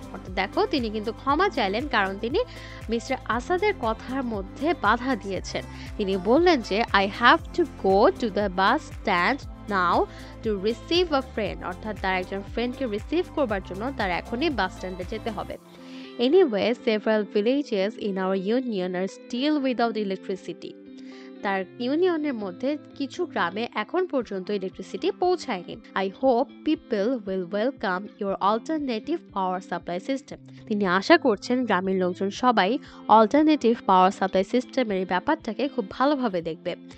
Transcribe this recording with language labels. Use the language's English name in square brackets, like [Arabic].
[Bangla] অর্থাৎ দেখো তিনি কিন্তু ক্ষমা চাইলেন কারণ তিনি মিস্টার আসাদের কথার মধ্যে বাধা দিয়েছেন। [English] তিনি বললেন যে I have to go to the bus stand now to receive a friend. [Bangla] অর্থাৎ তার একজন ফ্রেন্ডকে রিসিভ করবার জন্য তার এখনই বাস স্ট্যান্ডে যেতে হবে। [English] Anyway, several villages in our union are still without electricity. [Bangla] তার ইউনিয়নের মধ্যে কিছু গ্রামে এখন পর্যন্ত ইলেকট্রিসিটি পৌঁছায়নি। [English] I hope people will welcome your alternative power supply system. [Bangla] তিনি আশা করছেন গ্রামের লোকজন সবাই অল্টারনেটিভ পাওয়ার সাপ্লাই সিস্টেমের ব্যাপারটাকে খুব ভালোভাবে দেখবে।